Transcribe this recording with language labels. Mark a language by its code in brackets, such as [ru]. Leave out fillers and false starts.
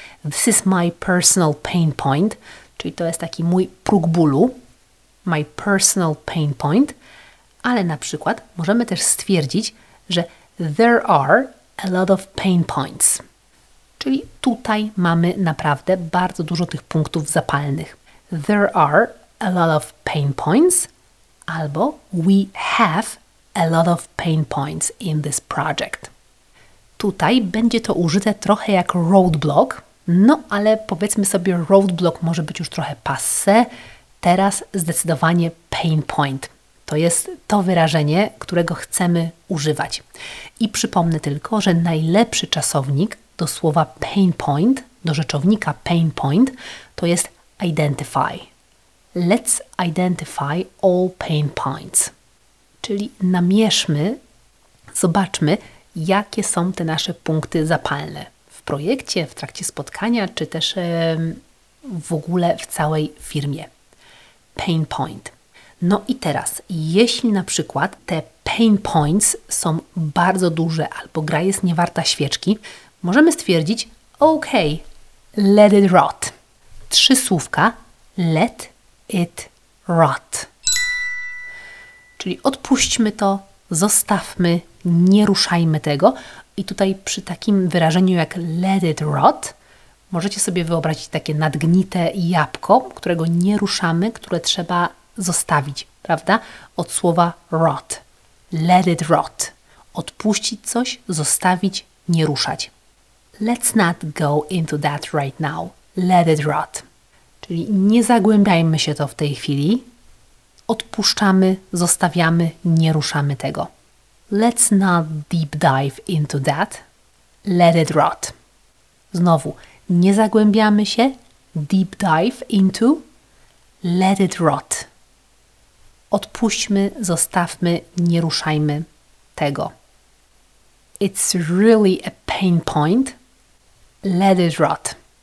[en] This is my personal pain point, [pl] czyli to jest taki mój próg bólu, [en] my personal pain point. [pl] Ale na przykład możemy też stwierdzić, że [en] there are a lot of pain points. [pl] Czyli tutaj mamy naprawdę bardzo dużo tych punktów zapalnych. [en] There are a lot of pain points, [pl] albo [en] we have a lot of pain points in this project. [pl] Tutaj będzie to użyte trochę jak roadblock, no ale powiedzmy sobie, roadblock może być już trochę passé, teraz zdecydowanie pain point. To jest to wyrażenie, którego chcemy używać. I przypomnę tylko, że najlepszy czasownik do słowa pain point, do rzeczownika pain point, to jest identify. [en] Let's identify all pain points. [pl] Czyli namierzmy, zobaczmy, jakie są te nasze punkty zapalne w projekcie, w trakcie spotkania, czy też w ogóle w całej firmie. Pain point. No i teraz, jeśli na przykład te pain points są bardzo duże albo gra jest niewarta świeczki, możemy stwierdzić, ok, [en] let it rot. [pl] Trzy słówka, [en] let it rot. [pl] Czyli odpuśćmy to, zostawmy, nie ruszajmy tego. I tutaj przy takim wyrażeniu jak [en] let it rot, [pl] możecie sobie wyobrazić takie nadgnite jabłko, którego nie ruszamy, które trzeba zostawić, prawda? Od słowa rot. [en] Let it rot. [pl] Odpuścić coś, zostawić, nie ruszać. [en] Let's not go into that right now. Let it rot. [pl] Czyli nie zagłębiajmy się to w tej chwili. Odpuszczamy, zostawiamy, nie ruszamy tego. [en] Let's not deep dive into that. Let it rot. [pl] Znowu, nie zagłębiamy się. [en] Deep dive into. Let it rot. [pl] Odpuśćmy, zostawmy, nie ruszajmy tego. [en] It's really a pain point. Let it rot.